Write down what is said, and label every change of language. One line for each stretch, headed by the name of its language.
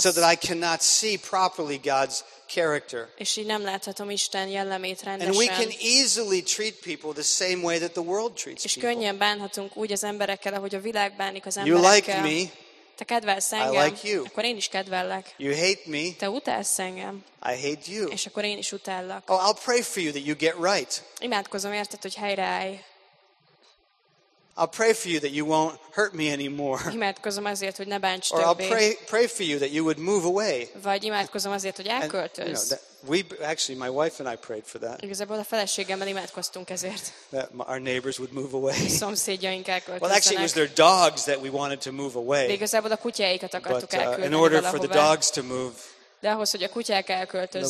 English: So that I cannot see properly God's character.
Hungarian: És így nem láthatom Isten jellemét rendesen.
English: And we can easily treat people the same way that the world treats people.
Hungarian: És könnyen bánhatunk úgy az emberekkel, ahogy a világ bánik az emberekkel.
English: You like me.
Hungarian: Te kedvelsz engem.
English: I like you.
Hungarian: Akkor én is kedvellek.
English: You hate me.
Hungarian: Te utálsz engem.
English: I hate you.
Hungarian: És akkor én is utállak.
English: Oh, I'll pray for you that you get right.
Hungarian: Imádkozom érted, hogy helyreállj.
English: I'll pray for you that you won't hurt me anymore.
Hungarian: Imádkozom azért, hogy ne bánts többé.
English: Or I'll pray for you that you would move away.
Hungarian: Vagy imádkozom azért, hogy elköltözz.
English: And, you know, my wife and I prayed for that.
Hungarian: Igazából a feleségemmel imádkoztunk ezért.
English: That our neighbors would move away.
Hungarian: Szomszédjaink elköltözzenek.
English: Well, actually, it was their dogs that we wanted to move away.
Hungarian: De igazából a kutyáikat akartuk elküldeni valahova.
English: In order for the dogs to move.
Hungarian: De ahhoz, hogy a kutyák elköltözzenek.